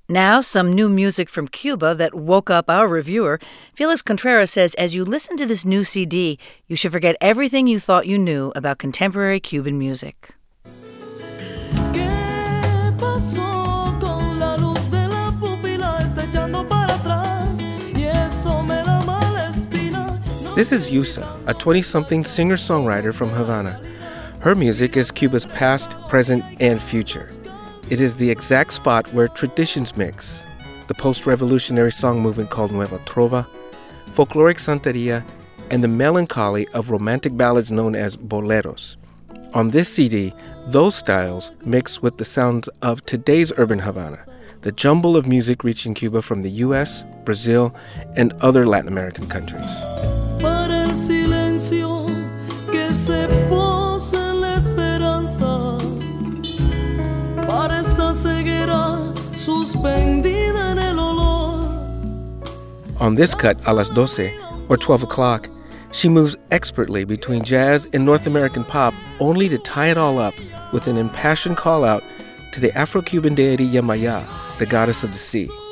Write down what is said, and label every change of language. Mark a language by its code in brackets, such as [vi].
[en] Now, some new music from Cuba that woke up our reviewer. Felix Contreras says, as you listen to this new CD, you should forget everything you thought you knew about contemporary Cuban music. [es] ¿Qué pasó con la luz de la pupila? Está echando para atrás y eso me da mala espina. [en] This is Yusa, a 20-something singer-songwriter from Havana. Her music is Cuba's past, present, and future. It is the exact spot where traditions mix. The post-revolutionary song movement called Nueva Trova, folkloric Santería, and the melancholy of romantic ballads known as boleros. On this CD, those styles mix with the sounds of today's urban Havana, the jumble of music reaching Cuba from the U.S., Brazil, and other Latin American countries. [es] Para el silencio que se posa en la esperanza. Para esta ceguera suspendida en el olor. [en] On this cut, A las 12, or 12 o'clock, she moves expertly between jazz and North American pop, only to tie it all up with an impassioned call out to the Afro-Cuban deity Yemaya, the goddess of the sea.